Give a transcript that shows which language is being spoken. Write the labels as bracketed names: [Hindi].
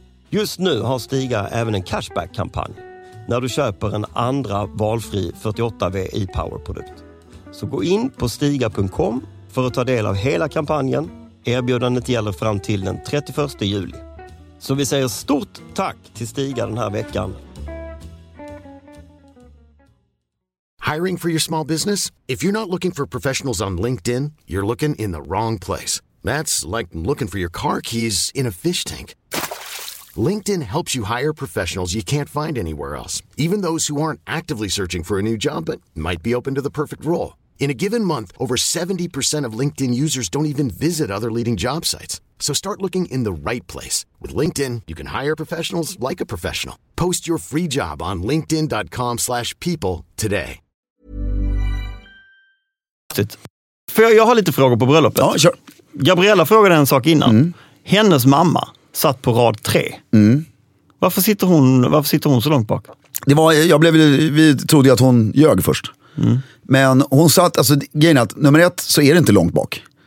[Swedish] Just nu har Stiga även en cashback-kampanj när du köper en andra valfri 48V e-power-produkt. Så gå in på stiga.com för att ta del av hela kampanjen. Erbjudandet gäller fram till den 31 juli. Så vi säger stort tack till Stiga den här veckan. [English] Hiring for your small business? If you're not looking for professionals on LinkedIn, you're looking in the wrong place. That's like looking for your car keys in a fish tank. LinkedIn helps you hire professionals you can't find anywhere else, even those who aren't actively searching for a new job but might be open to the perfect role. In a given month, over 70% of LinkedIn users don't even visit other leading job sites. So start looking in the right place. With LinkedIn, you can hire professionals like a professional. Post your free job on linkedin.com/people today. [Swedish] För jag har lite frågor på bröllopet. Ja, kör. Gabriella frågade en sak innan. Mm. Hennes mamma satt på rad 3. Mm. Varför sitter hon så långt bak? Det var, jag blev, vi trodde att hon ljög först. Mm. Men hon satt, alltså grejen är att nummer ett så är det inte långt bak.